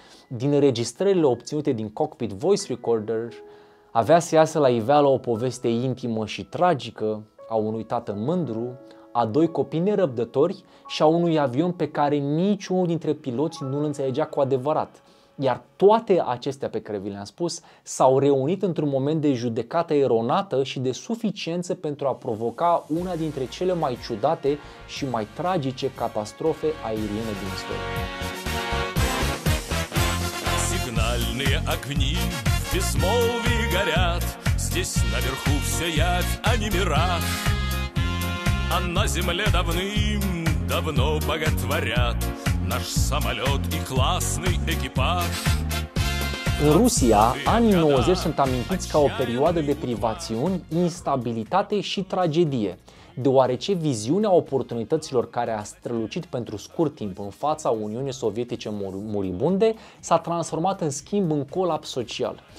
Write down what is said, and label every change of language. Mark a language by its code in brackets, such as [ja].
[ro] Din înregistrările obținute din cockpit voice recorder, avea să iasă la iveală o poveste intimă și tragică a unui tată mândru, a doi copii nerăbdători și a unui avion pe care niciunul dintre piloți nu-l înțelegea cu adevărat. Iar toate acestea pe care vi le-am spus s-au reunit într-un moment de judecată eronată și de suficiență pentru a provoca una dintre cele mai ciudate și mai tragice catastrofe aeriene din istorie. [ru] Сигнальные огни в безмолвии горят. Здесь наверху все явь, а не мираж. А на земле давным-давно боготворят наш самолет и классный экипаж. [ro] În Rusia, anii 90 sunt amintiți ca o perioadă de privațiuni, instabilitate și tragedie. deoarece viziunea oportunităților care a strălucit pentru scurt timp în fața Uniunii Sovietice muribunde s-a transformat în schimb în colaps social.